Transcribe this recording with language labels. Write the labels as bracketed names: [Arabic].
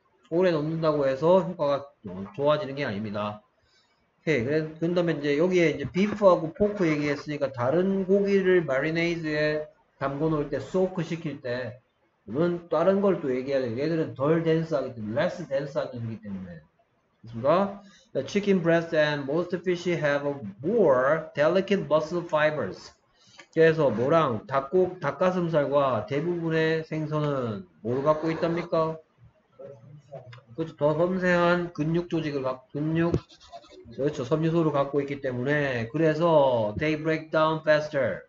[Korean] 오래 놓는다고 해서 효과가 좋아지는 게 아닙니다. 오케이. 그다음에 이제 여기에 이제 비프하고 포크 얘기했으니까 다른 고기를 마리네이드에 담궈 놓을 때 소크 시킬 때는 다른 걸또 얘기해야 돼요. 얘들은 덜 댄스하기 때문에 less 댄스한 음식이기 때문에. 그렇습니까? [English] The chicken breast and most fish have more delicate muscle fibers. [Korean] 그래서 뭐랑 닭가슴살과 대부분의 생선은 뭘 갖고 있답니까? 그렇죠. 더 섬세한 근육 조직을 갖고 근육 그렇죠. 섬유소를 갖고 있기 때문에 그래서 [English] they break down faster.